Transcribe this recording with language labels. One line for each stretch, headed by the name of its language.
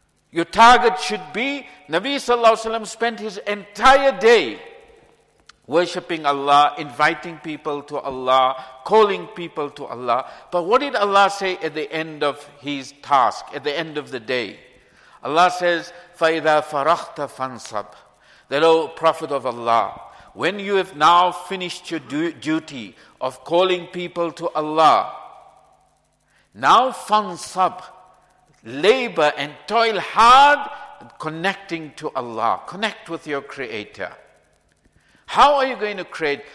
English: Your target should be, Nabi sallallahu alayhi wa sallam spent his entire day worshipping Allah, inviting people to Allah, calling people to Allah. But what did Allah say at the end of his task, at the end of the day? Allah says,
Arabic: فَإِذَا فَرَخْتَ فَانْصَبْ.
English: That, O Prophet of Allah, when you have now finished your duty of calling people to Allah, now فَانْصَبْ. Labor and toil hard connecting to Allah. Connect with your Creator. How are you going to create?